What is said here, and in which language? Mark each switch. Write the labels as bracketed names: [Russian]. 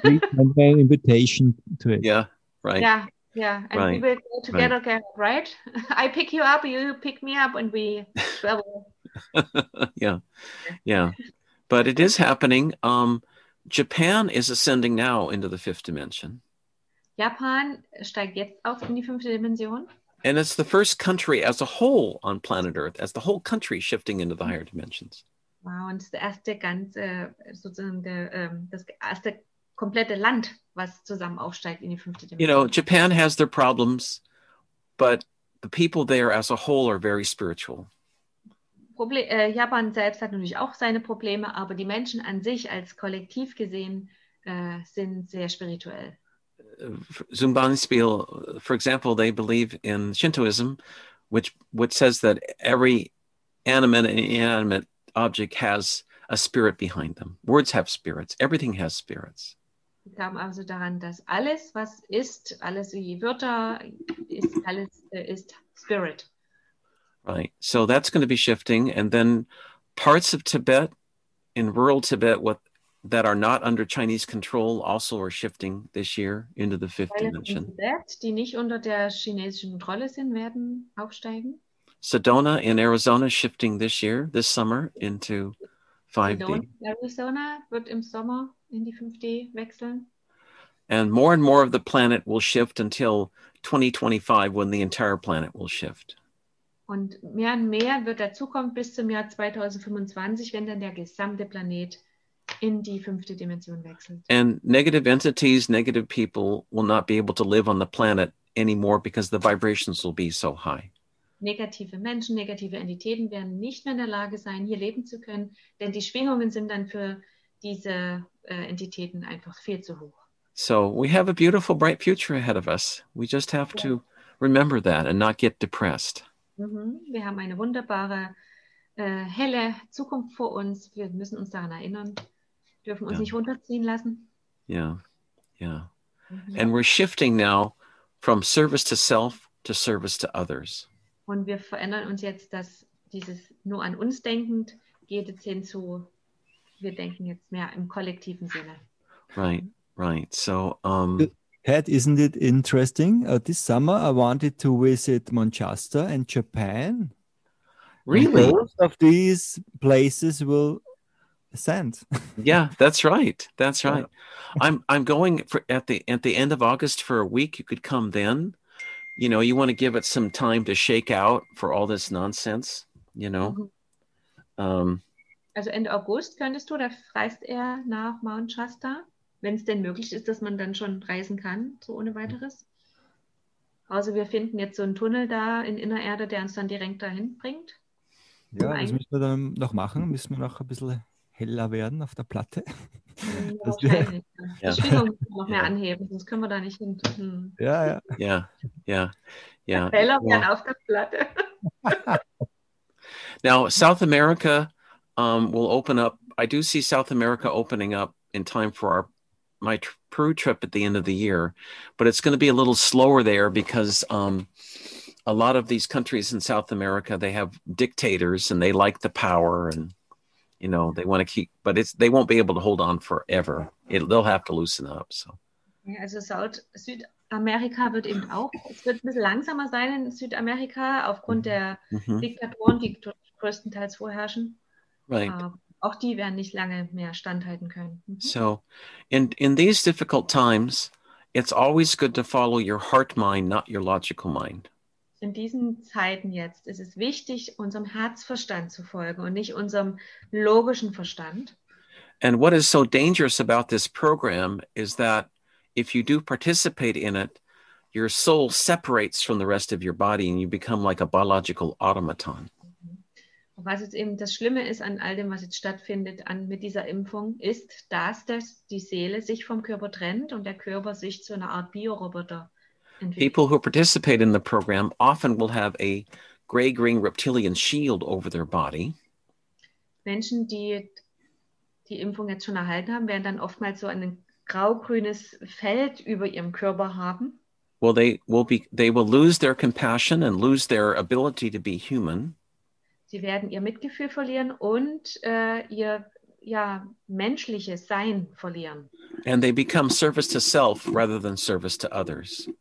[English] Send my invitation to it. Yeah, right. Yeah. And right. We will go together, right? I pick you up, you pick me up, and we travel. Yeah. But it is happening. Japan is ascending now into the fifth dimension. [German] Japan steigt jetzt auf in die fünfte Dimension. [English] And it's the first country as a whole on planet Earth, as the whole country shifting into the higher dimensions. [German] Wow, und es ist das erste ganze, sozusagen das erste komplette Land, was zusammen aufsteigt in die fünfte Dimension. [English] You know, Japan has their problems, but the people there as a whole are very spiritual. [German] Japan selbst hat natürlich auch seine Probleme, aber die Menschen an sich als Kollektiv gesehen sind sehr spirituell. Zum Beispiel, [English] for example, they believe in Shintoism, which says that every animate and inanimate object has a spirit behind them. Words have spirits. Everything has spirits. [German] Sie glauben also daran, dass alles, was ist, alles wie Wörter, ist alles ist Spirit. [English] Right, so that's going to be shifting, and then parts of Tibet, in rural Tibet, that are not under Chinese control, also are shifting this year into the fifth dimension. [German] Tibet, die nicht unter der chinesischen Kontrolle sind, werden aufsteigen. [English] Sedona in Arizona shifting this year, this summer into 5D. [German] Arizona wird im Sommer in die 5D wechseln. [English] And more and more of the planet will shift until 2025, when the entire planet will shift. [German] Und mehr wird dazukommen bis zum Jahr 2025, wenn dann der gesamte Planet in die fünfte Dimension wechselt. [English] And negative entities, negative people will not be able to live on the planet anymore because the vibrations will be so high. [German] Negative Menschen, negative Entitäten werden nicht mehr in der Lage sein, hier leben zu können, denn die Schwingungen sind dann für diese Entitäten einfach viel zu hoch. [English] So we have a beautiful, bright future ahead of us. We just have to remember that and not get depressed. [German] Wir haben eine wunderbare helle Zukunft vor uns. Wir müssen uns daran erinnern. Wir dürfen uns nicht runterziehen lassen. [English] And we're shifting now from service to self to service to others. [German] Und wir verändern uns jetzt, dass dieses nur an uns denkend geht jetzt hin zu, wir denken jetzt mehr im kollektiven Sinne. [English] Right. So, Pat, isn't it interesting? This summer I wanted to visit Manchester and Japan. Really? Most of these places will ascend. Yeah, that's right. That's right. I'm going for at the end of August for a week. You could come then. You know, you want to give it some time to shake out for all this nonsense, you know. [German] Also Ende August könntest du, da reist er nach Manchester. Wenn es denn möglich ist, dass man dann schon reisen kann, so ohne weiteres. Also wir finden jetzt so einen Tunnel da in Innererde, der uns dann direkt dahin bringt. Ja, das müssen wir dann noch machen. Müssen wir noch ein bisschen heller werden auf der Platte. Ja, okay. Die Schwingung noch mehr anheben, sonst können wir da nicht hin. Ja. Heller werden auf der Platte. [English] Now, South America will open up. I do see South America opening up in time for my Peru trip at the end of the year, but it's going to be a little slower there because a lot of these countries in South America, they have dictators and they like the power and, you know, they want to keep, but they won't be able to hold on forever. They'll have to loosen up. So. [German] Ja, also Südamerika wird eben auch, es wird ein bisschen langsamer sein in Südamerika aufgrund der Diktatoren, die größtenteils vorherrschen. [English] Right. [German] Auch die werden nicht lange mehr standhalten können. [English] So, in these difficult times, it's always good to follow your heart mind, not your logical mind. [German] In diesen Zeiten jetzt ist es wichtig, unserem Herzverstand zu folgen und nicht unserem logischen Verstand. [English] And what is so dangerous about this program is that if you do participate in it, your soul separates from the rest of your body and you become like a biological automaton. [German] Was jetzt eben das Schlimme ist an all dem, was jetzt stattfindet mit dieser Impfung, ist, dass die Seele sich vom Körper trennt und der Körper sich zu einer Art Bioroboter entwickelt. [English] People who participate in the program often will have a gray-green reptilian shield over their body. [German] Menschen, die die Impfung jetzt schon erhalten haben, werden dann oftmals so ein grau-grünes Feld über ihrem Körper haben. [English] Well, they will lose their compassion and lose their ability to be human. [German] Sie werden ihr Mitgefühl verlieren und ihr menschliches Sein verlieren. [English] And they become service to self rather than service to others.